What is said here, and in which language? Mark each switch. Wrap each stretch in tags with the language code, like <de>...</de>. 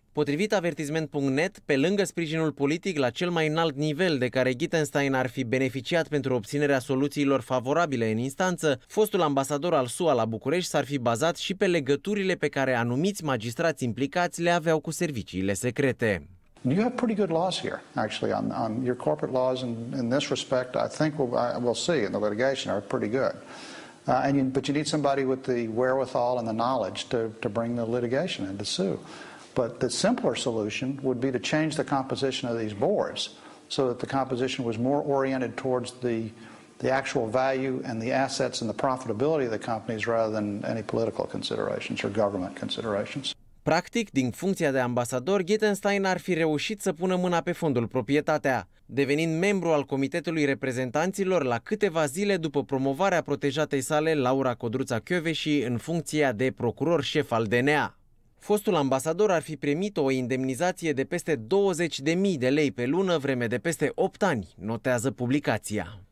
<ro>Potrivit avertisment.net, pe lângă sprijinul politic la cel mai înalt nivel de care Wittgenstein ar fi beneficiat pentru obținerea soluțiilor favorabile în instanță, fostul ambasador al SUA la București s-ar fi bazat și pe legăturile pe care anumiți magistrați implicați le aveau cu serviciile secrete.</ro> <en>You have pretty good laws here, actually, on your corporate laws, and in this respect, I think we'll see in the litigation are pretty good. But you need somebody with the wherewithal and the knowledge to bring the litigation and to sue. But the simpler solution would be to change the composition of these boards so that the composition was more oriented towards the the actual value and the assets and the profitability of the companies rather than any political considerations or government considerations.</en> <ro>Practic, din funcția de ambasador, Gitenstein ar fi reușit să pună mâna pe fondul proprietatea, devenind membru al Comitetului Reprezentanților la câteva zile după promovarea protejatei sale, Laura Codruța Chioveși, în funcția de procuror șef al DNA. Fostul ambasador ar fi primit o indemnizație de peste 20.000 de lei pe lună, vreme de peste 8 ani, notează publicația.</ro>